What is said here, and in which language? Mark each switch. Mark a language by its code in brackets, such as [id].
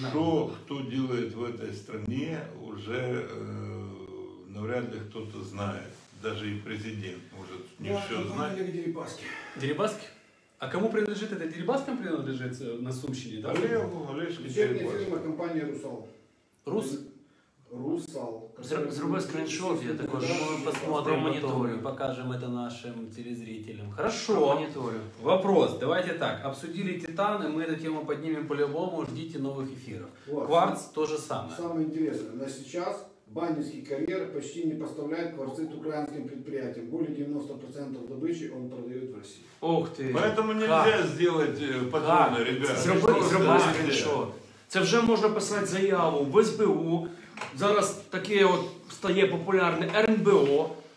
[ru] Что кто делает в этой стране, уже навряд ли кто-то знает. Даже и президент может не все знать. Дерибаски. Дерибаски? А кому принадлежит это? Дерибаскам принадлежит на Сумщине? Да? Олежка Дерибаски. Вечерняя фирма компании «Русал». Рус? Русал. [uk] Зробив скриншот, я також посмотрим, моніторю, покажемо це нашим телезрителям. [ru] Хорошо. [uk] Моніторю. [ru] Вопрос. Давайте так. [uk] Обсудили титани, ми цю тему піднімемо по-любому, ждіть нових ефірів. Кварц – то же саме. Саме інтересне. На сейчас банівський кар'єр почти не поставляє кварцит українським підприємствам. Більше 90% добычі він продає в Росії. Ух ти. [ru] Поэтому нельзя сделать подобное, ребята. [uk] Зробив скриншот. Це вже можна писати заяву в СБУ. Зараз таке от стає популярне РНБО.